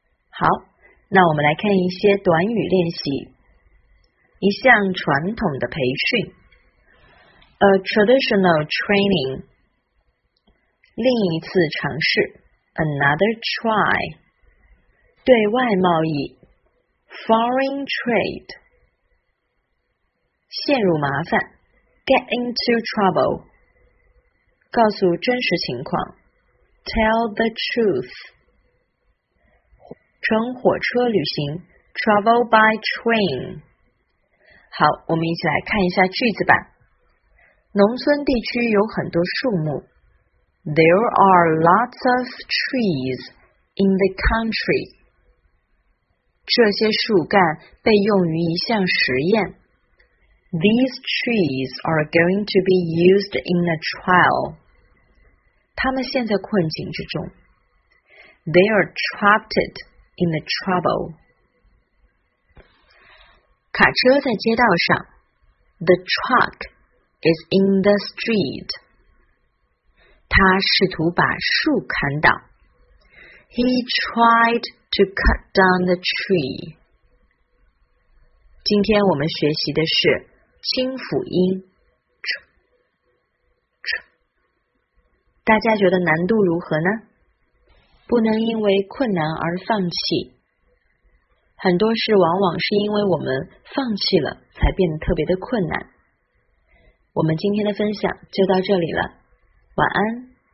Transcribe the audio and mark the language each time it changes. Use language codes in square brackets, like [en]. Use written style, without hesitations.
[zh] 好，那我们来看一些短语练习。一项传统的培训。 [en] A traditional training， [zh] 另一次尝试 [en] ，another try， [zh] 对外贸易 [en] ，foreign trade， [zh] 陷入麻烦 [en] ，get into trouble， [zh] 告诉真实情况 [en] ，tell the truth， [zh] 乘火车旅行 [en] ，travel by train。 [zh] 好，我们一起来看一下句子吧。农村地区有很多树木。 [en] There are lots of trees in the country. [zh] 这些树干被用于一项实验。 [en] These trees are going to be used in a trial. [zh] 他们陷在困境之中。 [en] They are trapped in the trouble. [zh] 卡车在街道上。 [en] The truck is in the street. [zh] 他试图把树砍倒。 [en] He tried to cut down the tree. [zh] 今天我们学习的是清辅音 ch, ch。大家觉得难度如何呢？不能因为困难而放弃。很多事往往是因为我们放弃了，才变得特别的困难。我们今天的分享就到这里了，晚安。